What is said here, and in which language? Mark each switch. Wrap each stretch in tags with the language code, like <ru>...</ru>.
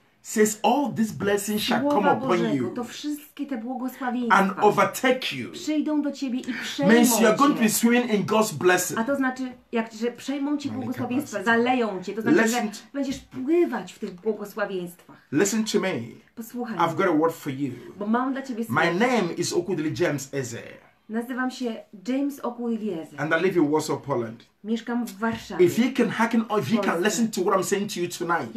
<en>Says all these blessings shall come upon you.</en> <pl>To wszystkie te błogosławieństwa.</pl> <en>And overtake you.</en> <pl>Przyjdą do ciebie i przejmą</pl> <en>means you're going to be swimming in God's blessing.</en> <pl>A to znaczy, jak, że przejmą cię błogosławieństwa, zaleją cię. To znaczy,</pl> <en>listen,</en> <pl>że będziesz pływać w tych błogosławieństwach.</pl> <en>Listen to me.</en> <pl>Posłuchaj.</pl> <en>I've got a word for you.</en> <pl>Bo mam dla ciebie słowo.</pl> <en>My name is Okudli James Eze.</en> <pl>Nazywam się James Okuliese.</pl> <en>And I live in Warsaw, Poland.</en> <pl>Mieszkam w Warszawie.</pl> <en>If you can hearken, if you can listen to what I'm saying to you tonight.</en>